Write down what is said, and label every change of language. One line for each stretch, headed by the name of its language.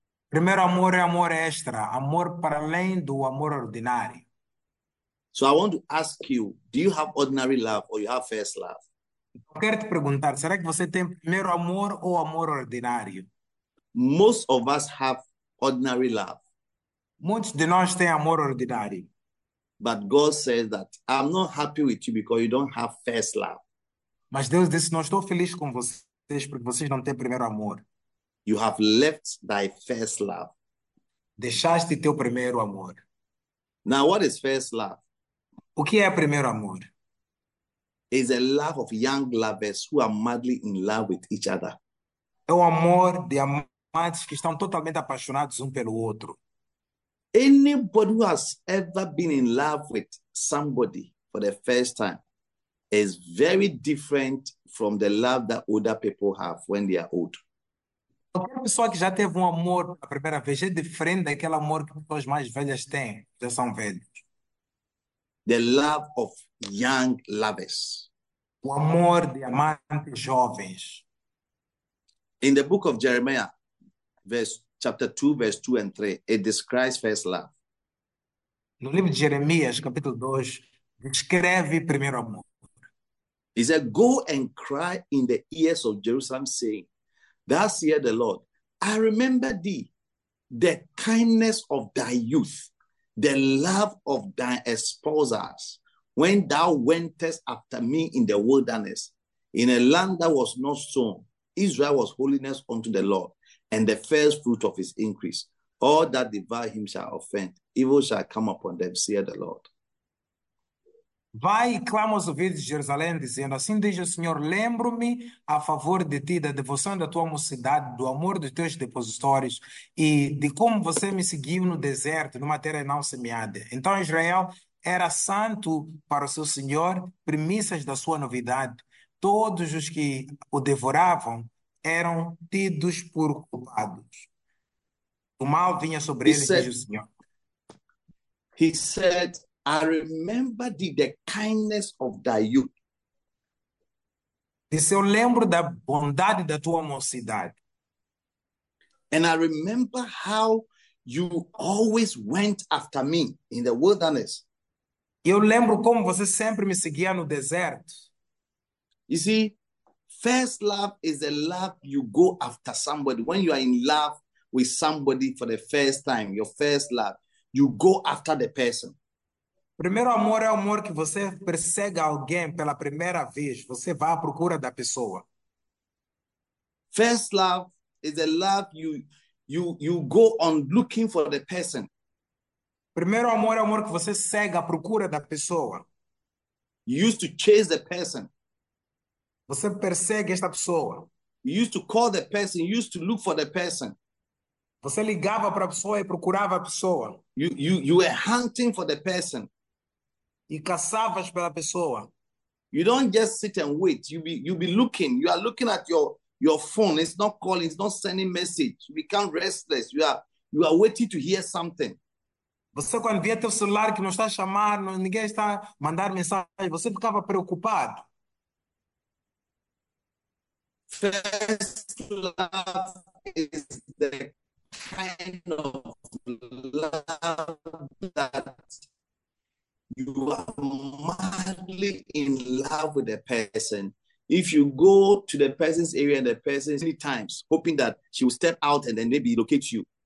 Portuguese: Primeiro amor é amor extra, amor para além do amor ordinário.
English: So I want to ask you, do you have ordinary love or you have first love?
Portuguese: Quero te perguntar, será que você tem primeiro amor ou amor ordinário?
English: Most of us have ordinary love.
Portuguese: Muitos de nós têm amor ordinário.
English: But God says that I'm not happy with you because you don't have first love.
Portuguese: Mas Deus disse, não estou feliz com vocês porque vocês não têm primeiro amor.
English: You have left thy first love.
Portuguese: Deixaste teu primeiro amor.
English: Now, what is first love?
Portuguese: O que é primeiro amor?
English: It's a love of young lovers who are madly in love with each other.
Portuguese: É o amor de amantes que estão totalmente apaixonados um pelo outro.
English: Anybody who has ever been in love with somebody for the first time is very different from the love that older people have when they are old.
Portuguese: Qualquer pessoa que já teve um amor pela primeira vez é diferente daquele amor que as pessoas mais velhas têm, já são velhos.
English: The love of young lovers.
Portuguese: O amor de amantes jovens.
English: In the book of Jeremiah, verse chapter 2, verse 2 and 3, it describes first love.
Portuguese: No livro de Jeremias, capítulo 2, descreve primeiro amor.
English: He said, "Go and cry in the ears of Jerusalem, saying, Thus saith the Lord, I remember thee, the kindness of thy youth, the love of thy espousals, when thou wentest after me in the wilderness, in a land that was not sown, Israel was holiness unto the Lord, and the first fruit of his increase. All that devour him shall offend, evil shall come upon them, saith the Lord."
Portuguese: Vai e clama aos ouvidos de Jerusalém, dizendo: Assim diz o Senhor, lembro-me a favor de ti, da devoção da tua mocidade, do amor dos teus depositórios e de como você me seguiu no deserto, numa terra não semeada. Então Israel era santo para o seu Senhor, primícias da sua novidade. Todos os que o devoravam eram tidos por culpados. O mal vinha
English: He
Portuguese: sobre eles, diz
English: said,
Portuguese: o Senhor.
English: "I remember thee, the kindness of thy youth."
Portuguese: Disse, eu lembro da bondade da tua mocidade.
English: And I remember how you always went after me in the wilderness.
Portuguese: Eu lembro como você sempre me seguia no deserto.
English: You see, first love is the love you go after somebody when you are in love. With somebody for the first time, your first love, you go after the person.
Portuguese: Primeiro amor é o amor que você persegue alguém pela primeira vez. Você vai à procura da pessoa.
English: First love is a love you go on looking for the person.
Portuguese: Primeiro amor é o amor que você segue à procura da pessoa.
English: You used to chase the person.
Portuguese: Você persegue esta pessoa.
English: You used to call the person, you used to look for the person.
Portuguese: Você ligava para a pessoa e procurava a pessoa.
English: You are hunting for the person.
Portuguese: E caçavas pela pessoa.
English: You don't just sit and wait. You be looking. You are looking at your phone. It's not calling. It's not sending message. You become restless. You are waiting to hear something.
Portuguese: Você, quando via teu celular que não está a chamar, ninguém está a mandar mensagem, você ficava preocupado.
English: First love is the kind of love that you are madly in love with a person. If you go to the person's area and the person many times, hoping that she will step out and then maybe locate you.